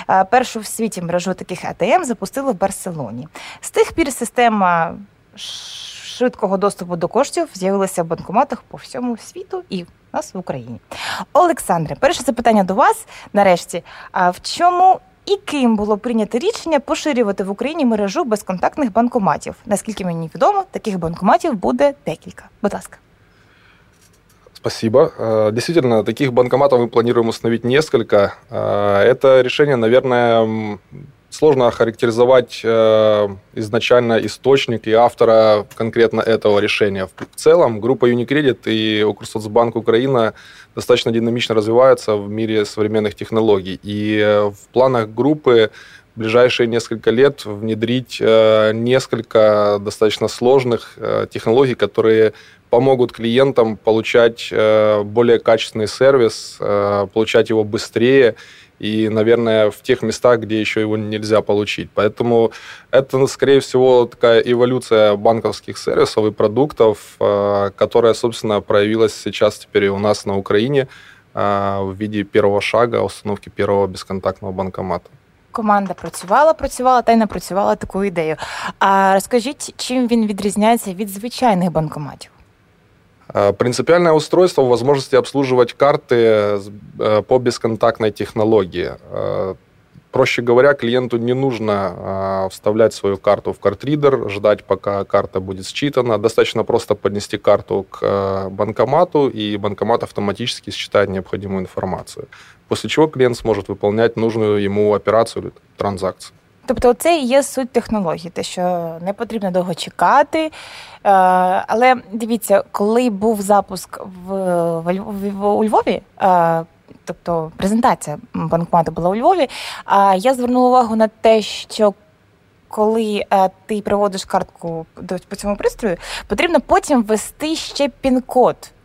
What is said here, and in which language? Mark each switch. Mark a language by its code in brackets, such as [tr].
[uk] Першу в світі мережу таких ATM запустили в Барселоні. З тих пір система швидкого доступу до коштів з'явилася в банкоматах по всьому світу і нас в Україні. Олександре, перше запитання до вас нарешті. А в чому і ким було прийнято рішення поширювати в Україні мережу безконтактних банкоматів? Наскільки мені відомо, таких банкоматів буде декілька. Будь ласка. [ru] Спасибо. Действительно, таких банкоматов мы планируем установить несколько. Это решение, наверное, сложно охарактеризовать изначально источник и автора конкретно этого решения. В целом, группа Unicredit и Укрсоцбанк Украина достаточно динамично развиваются в мире современных технологий. И в планах группы в ближайшие несколько лет внедрить несколько достаточно сложных технологий, которые помогут клиентам получать более качественный сервис, получать его быстрее и, наверное, в тех местах, где еще его нельзя получить. Поэтому это, скорее всего, такая эволюция банковских сервисов и продуктов, которая, собственно, проявилась сейчас теперь у нас на Украине в виде первого шага установки первого бесконтактного банкомата. [uk] Команда працювала та й напрацювала таку ідею. А розкажіть, чим він відрізняється від звичайних банкоматів? [ru] Принципиальное устройство в возможности обслуживать карты по бесконтактной технологии. Проще говоря, клиенту не нужно вставлять свою карту в картридер, ждать, пока карта будет считана. Достаточно просто поднести карту к банкомату, и банкомат автоматически считает необходимую информацию. После чего клиент сможет выполнять нужную ему операцию или транзакцию. [uk] Тобто це і є суть технології, те, що не потрібно довго чекати. Але дивіться, коли був запуск у Львові, тобто презентація банкомату була у Львові, я звернула увагу на те, що коли ти приводиш картку по цьому пристрою, потрібно потім ввести ще пін-код.